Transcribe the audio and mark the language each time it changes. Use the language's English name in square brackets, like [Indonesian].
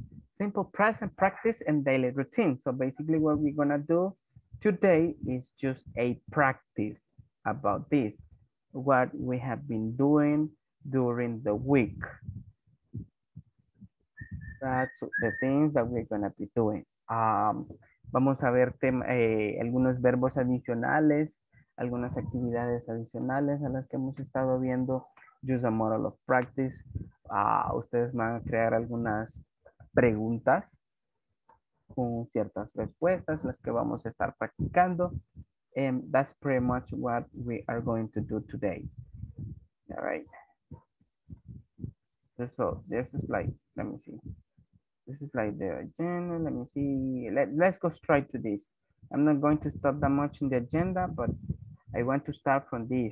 [English] Simple present practice and daily routine. So basically what we're gonna do today is just a practice about this, what we have been doing during the week. That's the things that we're gonna be doing. [Spanish] Vamos a ver algunos verbos adicionales, algunas actividades adicionales a las que hemos estado viendo. [English] Just a model of practice. [Spanish] Ustedes van a crear algunas preguntas con ciertas respuestas, las que vamos a estar practicando. [English] And that's pretty much what we are going to do today. All right. So this is like, let me see. This is like the agenda. Let me see. Let's go straight to this. I'm not going to stop that much in the agenda, but I want to start from this.